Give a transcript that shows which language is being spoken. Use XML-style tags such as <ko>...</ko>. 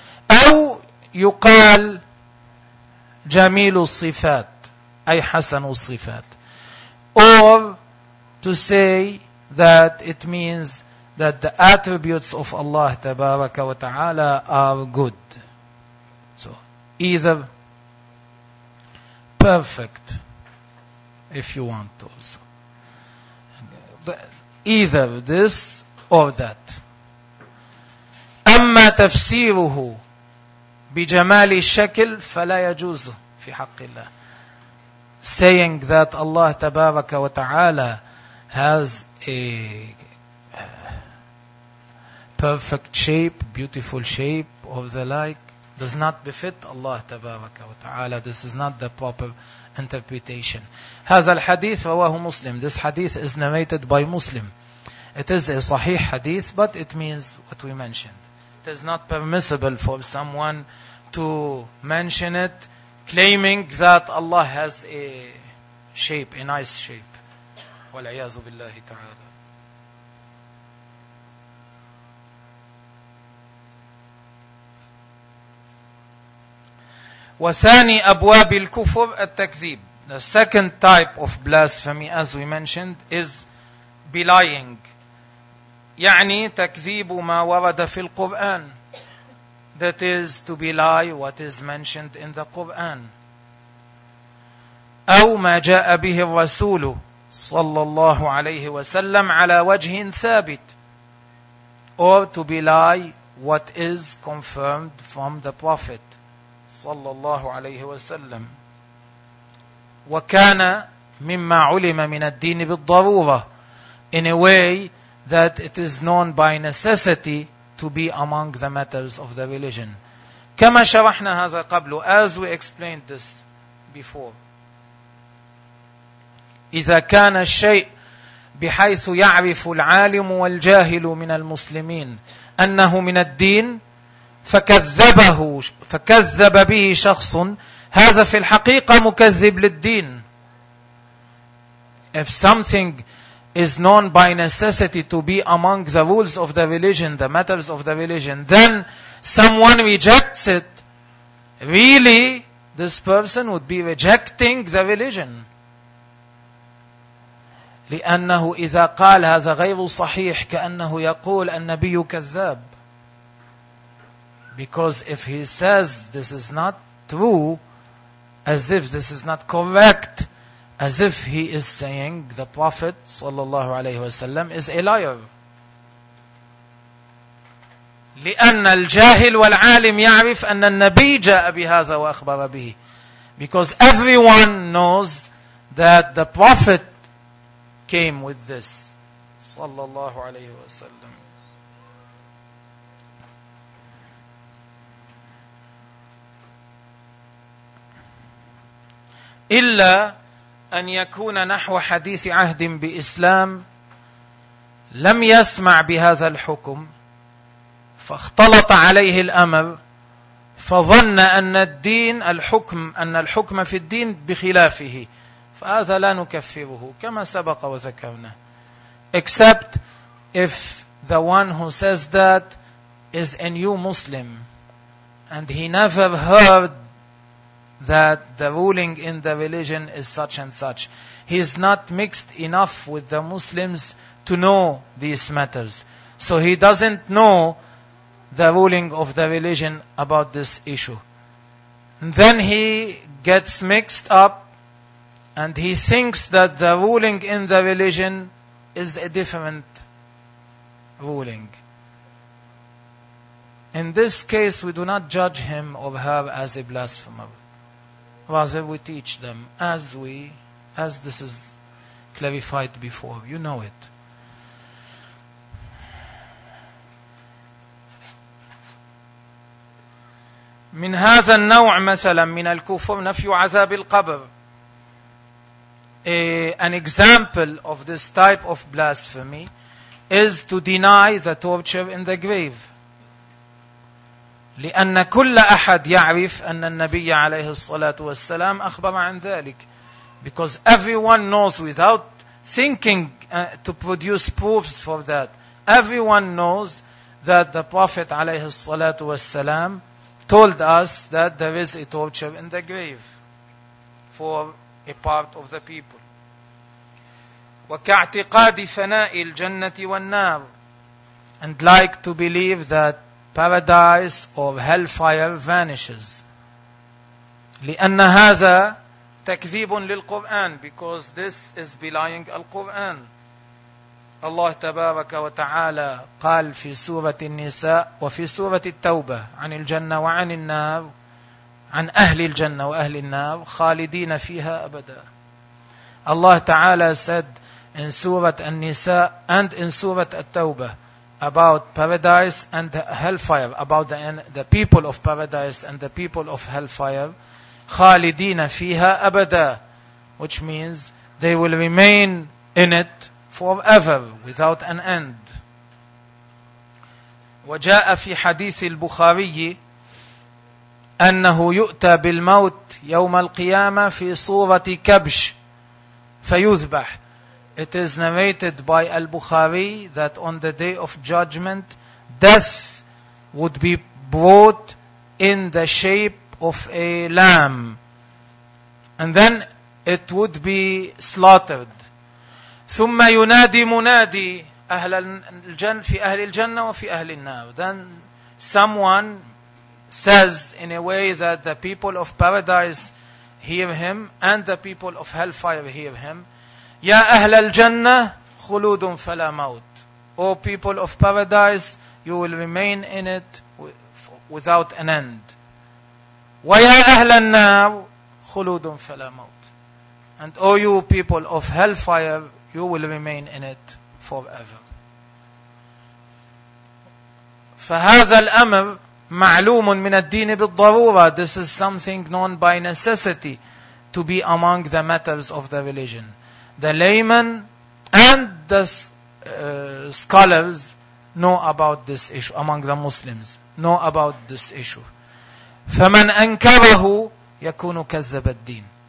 <ar>أو يقال جميل الصفات أي حسن الصفات.</ar> <en>Or to say that it means that the attributes of Allah</en> <ar>تبارك وتعالى</ar> <en>are good. So either perfect if you want also. Either this or that.</en> <ar>أما تفسيره بجمال الشكل فلا يجوز في حق الله.</ar> <en>Saying that Allah</en> <ar>تبارك وتعالى</ar> <en>has a perfect shape, beautiful shape of the like, does not befit Allah</en> <ar>Tabaraka wa Ta'ala.</ar> <en>This is not the proper interpretation.</en> <ar>هذا الحديث رواه مسلم.</ar> <en>This hadith is narrated by Muslim. It is a sahih hadith, but it means what we mentioned. It is not permissible for someone to mention it, claiming that Allah has a shape, a nice shape.</en> <ar>وَالْعِيَاذُ بِاللَّهِ تَعَالَى. وثاني أبواب الكفر التكذيب.</ar> <en>The second type of blasphemy, as we mentioned, is belying.</en> <ar>يعني تكذيب ما ورد في القرآن.</ar> <en>That is to belie what is mentioned in the Quran.</en> <ar>أو ما جاء به الرسول صلى الله عليه وسلم على وجه ثابت.</ar> <en>Or to belie what is confirmed from the Prophet</en> <ar>صلى الله عليه وسلم. وكان مما علم من الدين بالضرورة.</ar> <en>In a way that it is known by necessity to be among the matters of the religion.</en> <ar>كما شرحنا هذا قبل.</ar> <en>As we explained this before.</en> <ar>إذا كان الشيء بحيث يعرف العالم والجاهل من المسلمين أنه من الدين فكذب به شخص هذا في الحقيقة مكذب للدين.</ar> <en>If something is known by necessity to be among the rules of the religion, the matters of the religion, then someone rejects it, really this person would be rejecting the religion.</en> <ar>لأنه إذا قال هذا غير صحيح كأنه يقول النبي كذاب.</ar> <en>Because if he says this is not true, as if this is not correct, as if he is saying the Prophet</en> <ar>sallallahu alayhi wa sallam</ar> <en>is a liar.</en> <ar>لِأَنَّ الْجَاهِلُ وَالْعَالِمُ يَعْرِفْ أَنَّ النَّبِيِّ جَاءَ بِهَذَا وَأَخْبَرَ بِهِ.</ar> <en>Because everyone knows that the Prophet came with this</en> <ar>sallallahu alayhi wa sallam. إلا أن يكون نحو حديث عهد بإسلام لم يسمع بهذا الحكم فاختلط عليه الأمر فظن أن الدين الحكم أن الحكم في الدين بخلافه فهذا لا نكفره كما سبق وذكرنا.</ar> <en>Except if the one who says that is a new Muslim and he never heard that the ruling in the religion is such and such. He is not mixed enough with the Muslims to know these matters. So he doesn't know the ruling of the religion about this issue. And then he gets mixed up and he thinks that the ruling in the religion is a different ruling. In this case, we do not judge him or her as a blasphemer. Rather, we teach them as this is clarified before. You know it.</en> <ar>من هذا النوع مثلا من الكفر نفي عذاب القبر.</ar> <en>An example of this type of blasphemy is to deny the torture in the grave.</en> <ar>لأن كل أحد يعرف أن النبي عليه الصلاة والسلام أخبر عن ذلك.</ar> <en>Because everyone knows without thinking to produce proofs for that. Everyone knows that the Prophet</en> <ar>عليه الصلاة والسلام</ar> <en>told us that there is a torture in the grave for a part of the people.</en> <ar>وكاعتقاد فناء الجنة والنار.</ar> <en>And like to believe that paradise or hellfire vanishes.</en> <ar>لأن هذا تكذيب للقرآن.</ar> <en>Because this is belying القرآن.</en> <ar>الله تبارك وتعالى قال في سورة النساء وفي سورة التوبة عن الجنة وعن النار عن أهل الجنة وأهل النار خالدين فيها أبدا. الله تعالى</ar> <en>said in سورة النساء and in سورة التوبة about paradise and hellfire, about the people of paradise and the people of hellfire,</en> <ar>خالدين فيها أبدا,</ar> <en>which means they will remain in it forever without an end.</en> <ar>وجاء في حديث البخاري أنه يؤتى بالموت يوم القيامة في صورة كبش فيذبح.</ar> <en>It is narrated by Al-Bukhari that on the day of judgment, death would be brought in the shape of a lamb. And then it would be slaughtered.</en> <ar>ثم ينادي منادي أهل الجنة في أهل الجنة وفي أهل النار.</ar> <en>Then someone says in a way that the people of paradise hear him and the people of hellfire hear him.</en> <ar>يا أهل الجنة خلود فلا موت.</ar> <en>O people of paradise, you will remain in it without an end.</en> <ar>ويا أهل النار خلود فلا موت.</ar> <en>And O you people of hellfire, you will remain in it forever.</en> <ar>فهذا الأمر معلوم من الدين بالضرورة.</ar> <en>This is something known by necessity to be among the matters of the religion. The layman and the scholars know about this issue, among the Muslims, know about this issue.</en> <ar>فَمَنْ أَنْكَرَهُ يَكُونُ كَذَّبَ الدِّينِ.</ar>